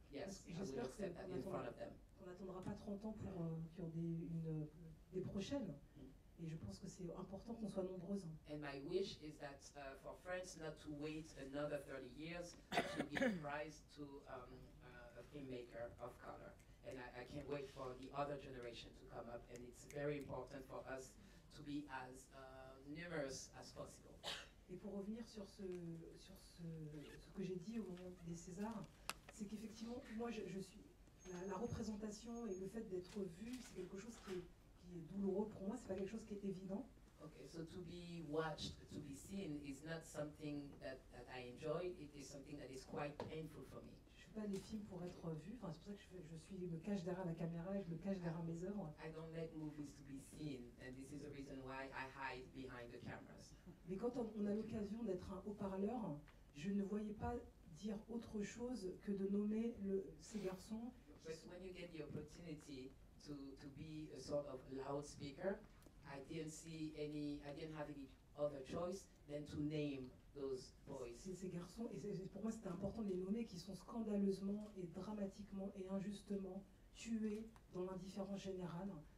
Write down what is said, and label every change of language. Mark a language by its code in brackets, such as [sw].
[en] Yes, I will accept that in front of them. [fr] On n'attendra pas 30 ans pour des prochaines. Et je pense que c'est important qu'on soit nombreuses. [en] And my wish is that for France not to wait another 30 years to give prize to a filmmaker of color. And I can't wait for the other generation to come up. And it's very important for us to be as numerous as possible. [fr] Et pour revenir sur ce que j'ai dit au moment des Césars, c'est qu'effectivement, moi, je suis la représentation et le fait d'être vue, c'est quelque chose qui est douloureux pour moi, c'est pas quelque chose qui est évident. [en] Okay, so to be watched, to be seen, is not something that I enjoy. It is something that is quite painful for me. [fr] Je fais pas des films pour être vu. Enfin, c'est pour ça que je me cache derrière la caméra et je me cache derrière mes œuvres. [en] I don't make movies to be seen, and this is the reason why I hide behind the cameras. [fr] Mais quand on a l'occasion d'être un haut-parleur, je ne voyais pas dire autre chose que de nommer ces garçons. [en] But when you get the opportunity to be a sort of loudspeaker, I didn't have any other choice than to name those boys. [fr] Ces garçons, et pour moi c'était important de les nommer, qui sont scandaleusement et dramatiquement et injustement tués dans l'indifférence générale,